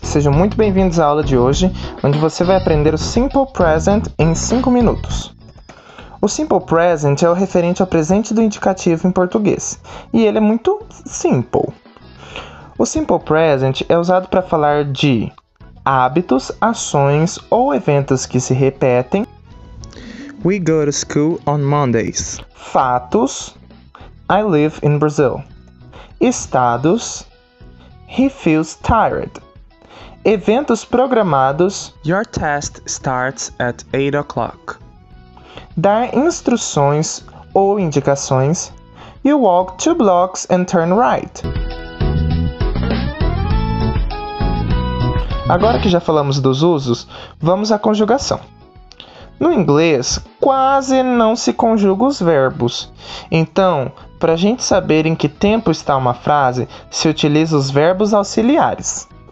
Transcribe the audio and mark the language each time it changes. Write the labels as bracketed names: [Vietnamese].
[Portuguese] Sejam muito bem-vindos à aula de hoje, onde você vai aprender o Simple Present em 5 minutos. O Simple Present é o referente ao presente do indicativo em português, e ele é muito simple. O Simple Present é usado para falar de hábitos, ações ou eventos que se repetem. [English] We go to school on Mondays. [Portuguese] Fatos. [English] I live in Brazil. [Portuguese] Estados. [English] He feels tired. [Portuguese] Eventos programados. [English] Your test starts at 8 o'clock. [Portuguese] Dar instruções ou indicações. [English] You walk 2 blocks and turn right. [Portuguese] Agora que já falamos dos usos, vamos à conjugação. No inglês, quase não se conjuga os verbos. Então, para a gente saber em que tempo está uma frase, se utiliza os verbos auxiliares.